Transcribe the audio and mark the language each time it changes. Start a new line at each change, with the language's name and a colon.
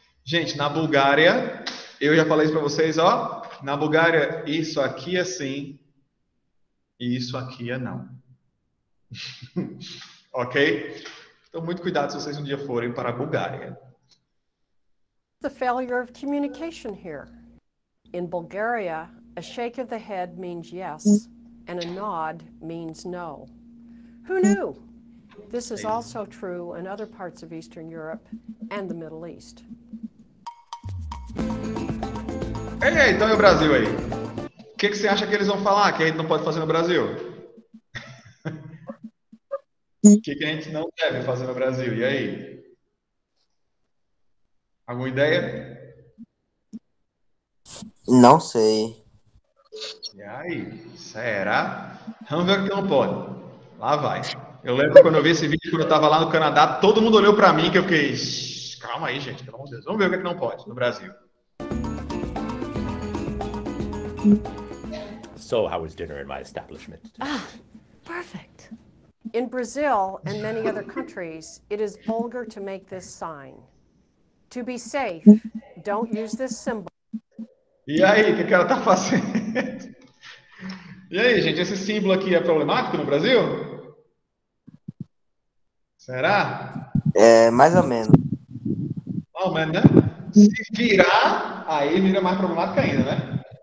Portuguese: Gente, na Bulgária, eu já falei isso para vocês, ó, na Bulgária, isso aqui é sim, e isso aqui é não. Ok? Então, muito cuidado se vocês um dia forem para a Bulgária.
English: The failure of communication here. In Bulgaria, a shake of the head means yes, and a nod means no. Who knew? This is also true in other parts of Eastern Europe and the Middle East.
Portuguese: Ei, então e o Brasil aí? O que, que você acha que eles vão falar que a gente não pode fazer no Brasil? O que, que a gente não deve fazer no Brasil? E aí? Alguma ideia? Não sei. E aí? Será? Vamos ver o que não pode. Lá vai. Eu lembro quando eu vi esse vídeo, quando eu estava lá no Canadá, todo mundo olhou para mim, que eu fiquei, calma aí, gente, pelo amor de Deus. Vamos ver o que é que não pode no Brasil.
English: So, how was dinner in my establishment? Ah, perfect. In Brazil and many other countries, it is vulgar to make this sign. To be safe, don't use this symbol.
Portuguese: E aí, o que ela tá fazendo? E aí, gente, esse símbolo aqui é problemático no Brasil? Será? É, mais ou menos. Mais ou menos, né? Se virar, aí vira mais problemático ainda, né?